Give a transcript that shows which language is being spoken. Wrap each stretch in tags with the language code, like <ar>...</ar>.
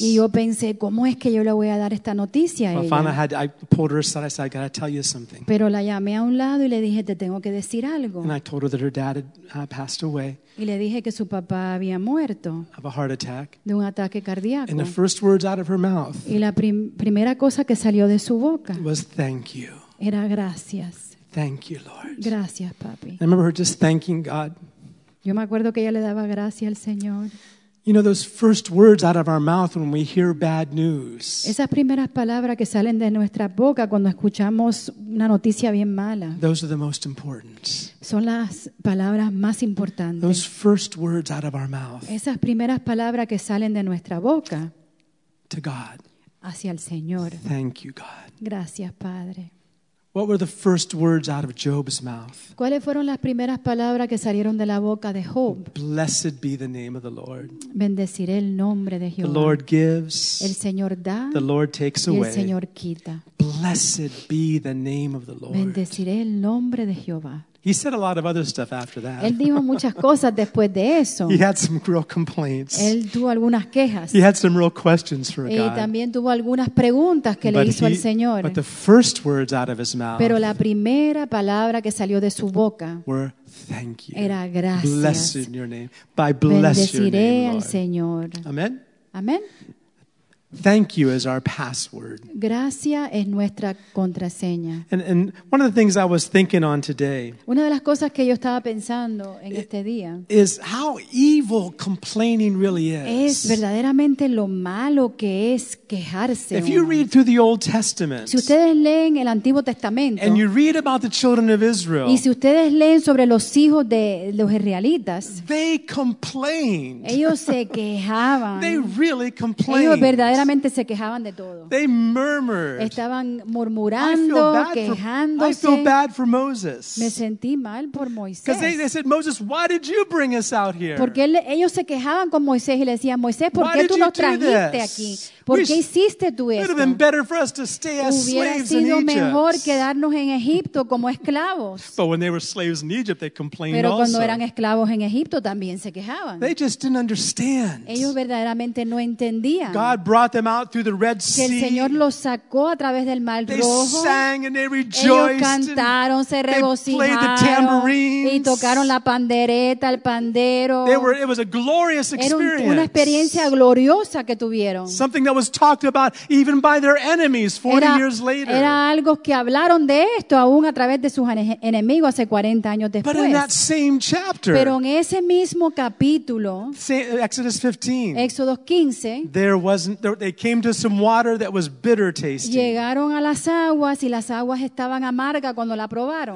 <es>Y yo pensé, ¿cómo es que yo le voy a dar esta noticia a ella?</es> <en>Well, finally, I pulled her aside. I said, "I got to tell you something."</en> <es>Pero la llamé a un lado y le dije, "Te tengo que decir algo."</es> <en>And I told her that her dad had passed away.</en> <es>Y le dije que su papá había muerto.</es> <en>Of a heart attack.</en> <es>De un ataque cardíaco.</es> <en>And the first words out of her mouth.</en> <es>Y la primera cosa que salió de su boca.</es> <en>Was thank you.</en> <es>Era gracias.</es> <en>Thank you, Lord.</en> <es>Gracias, papi.</es> <en>I remember her just thanking God.</en> <es>Yo me acuerdo que ella le daba gracias al Señor.</es> <en>You know those first words out of our mouth when we hear bad news.</en> <es>Esas primeras palabras que salen de nuestra boca cuando escuchamos una noticia bien mala.</es> <en>Those are the most important.</en> <es>Son las palabras más importantes.</es> <en>Those first words out of our mouth.</en> <es>Esas primeras palabras que salen de nuestra boca.</es> <en>To God.</en> <es>Hacia el Señor.</es> <en>Thank you, God.</en> <es>Gracias, Padre.</es> <en>What were the first words out of Job's mouth?</en> <es>¿Cuáles fueron las primeras palabras que salieron de la boca de Job?</es> <en>Blessed be the name of the Lord.</en> <es>Bendeciré el nombre de Jehová.</es> <en>The Lord gives.</en> <es>El Señor da.</es> <en>The Lord takes away.</en> <es>Y el Señor quita.</es> <en>Blessed be the name of the Lord.</en> <es>Bendeciré el nombre de Jehová.</es> <en>He said a lot of other stuff after that.</en> <es>Él dijo muchas cosas después de eso.</es> <en>He had some real complaints.</en> <es>Él tuvo algunas quejas.</es> <en>He had some real questions for God.</en> <es>Y también tuvo algunas preguntas que le hizo al Señor.</es> <en>But the first words out of his mouth.</en> <es>Pero la primera palabra que salió de su boca.</es> <en>Were thank you.</en> <es>Era gracias.</es> <en>Blessed in your name. By bless</en> <es>bendeciré</es> <en>your name,</en> <es>al</es> <en>Lord.</en> <es>Señor.</es> <en>Amen.</en> <es>Amen.</es> <en>Thank you is our password.</en> <es>Gracia es nuestra contraseña.</es> <en>And one of the things I was thinking on today.</en> <es>Una de las cosas que yo estaba pensando en este día.</es> <en>Is how evil complaining really is.</en> <es>Es verdaderamente lo malo que es quejarse.</es> <en>If you read through the Old Testament.</en> <es>Si ustedes leen el Antiguo Testamento.</es> <en>And you read about the children of Israel.</en> <es>Y si ustedes leen sobre los hijos de los israelitas.</es> <en>They complained.</en> <es>Ellos se quejaban.</es> <en>They really complained.</en> <es>Ellos solamente se quejaban de todo.</es> <en>They murmured.</en> <es>Estaban murmurando, quejándose.</es> <en>I feel bad for Moses.</en> <es>Me sentí mal por Moisés.</es> <en>Because they said, Moses, why did you bring us out here?</en> <es>Porque ellos se quejaban con Moisés y le decían, Moisés, ¿por qué tú nos trajiste aquí? ¿Por qué hiciste tú esto?</es> <en>It would have been better for us to stay as slaves in Egypt.</en> <es>Hubiera sido mejor quedarnos en Egipto como esclavos.</es> <en>But when they were slaves in Egypt, they complained also.</en> <es>Pero cuando</es> <en>also.</en> <es>Eran esclavos en Egipto también se quejaban.</es> <en>They just didn't understand.</en> <es>Ellos verdaderamente no entendían.</es> <en>God brought them out through the Red Sea.</en> <es>Que el Señor los sacó a través del Mar Rojo.</es> <en>They sang and they rejoiced.</en> <es>Ellos cantaron, se regocijaron.</es> <en>They played the tambourines.</en> <es>Y tocaron la pandereta, el pandero.</es> <en>It was a glorious experience.</en> <es>Era una experiencia gloriosa que tuvieron.</es> <en>Something that was talked about even by their enemies 40 years later.</en> <es>Era algo que hablaron de esto aún a través de sus enemigos hace 40 años después.</es> <en>But in that same chapter.</en> <es>Pero en ese mismo capítulo.</es> <en>Exodus 15.</en> <es>Éxodo 15.</es> <en>They came to some water that was bitter tasting.</en> <es>Llegaron a las aguas y las aguas estaban amargas cuando la probaron.</es>